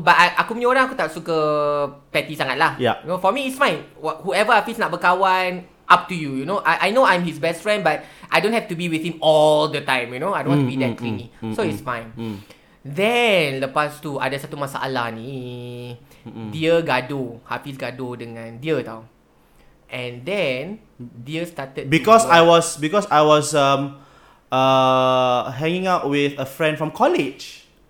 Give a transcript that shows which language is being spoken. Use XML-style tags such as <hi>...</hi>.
<ms>But aku punya orang, aku tak suka petty sangat lah.</ms> <en>Yeah. You know, for me it's fine. Whoever Hafidz</en> <ms>nak berkawan,</ms> <en>up to you. You know, I know I'm his best friend, but I don't have to be with him all the time. You know, I don't want to be that clingy. So it's fine. Then</en> <ms>lepas tu ada satu masalah ni. Dia gaduh, Hafidz gaduh dengan dia tau.</ms> <en>And then dia started because I was hanging out with a friend from college.</en>